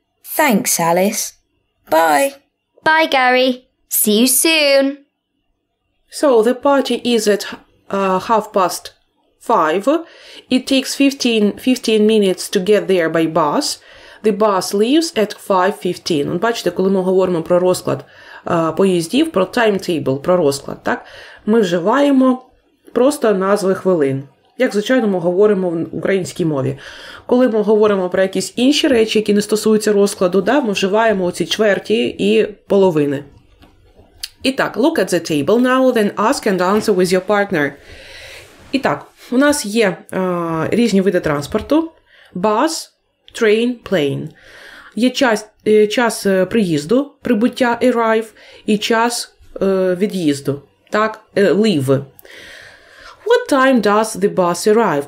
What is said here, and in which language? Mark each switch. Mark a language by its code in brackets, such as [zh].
[en] Thanks, Alice. Bye. Bye, Gary. See you soon. So, the party is at half past five. It takes 15 minutes to get there by bus. The bus leaves at 5:15. [uk] Бачите, коли ми говоримо про розклад поїздів, про timetable, про розклад, так? Ми вживаємо просто назви хвилин, як, звичайно, ми говоримо в українській мові. Коли ми говоримо про якісь інші речі, які не стосуються розкладу, да, ми вживаємо ці чверті і половини. І так, [en] look at the table now, then ask and answer with your partner. [uk] І так, у нас є різні види транспорту. [en] Bus, train, plane. [uk] Є час приїзду, прибуття, arrive, і час від'їзду, так, leave. [en] What time does the bus arrive?